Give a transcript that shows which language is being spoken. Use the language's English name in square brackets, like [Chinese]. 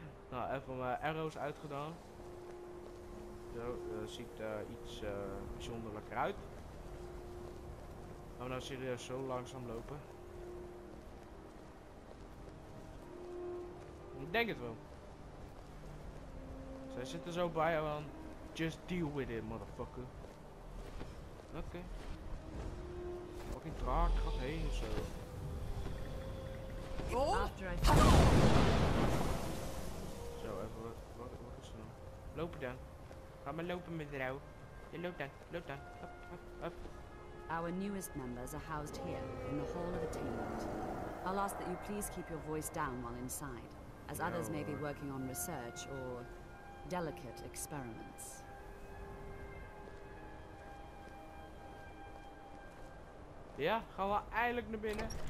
[Dutch] Nou, even mijn arrows uitgedaan. Zo, ziet er iets bijzonderlijker uit. Gaan we nou serieus zo langzaam lopen? Ik denk het wel. Zij zitten zo bij jou aan. [English] Just deal with it, motherfucker. [Dutch] Oké. Okay. Fucking draak, gaat heen of zo. Oh! Zo, even wat is er nou? Lopen dan. Ga maar lopen met jou. Je loopt dan, loop dan. Hop, hop, hop. [English] Our newest members are housed here in the Hall of Attainment. I'll ask that you please keep your voice down while inside, as no. Others may be working on research or delicate experiments. [Dutch] Ja, gaan we eindelijk naar binnen.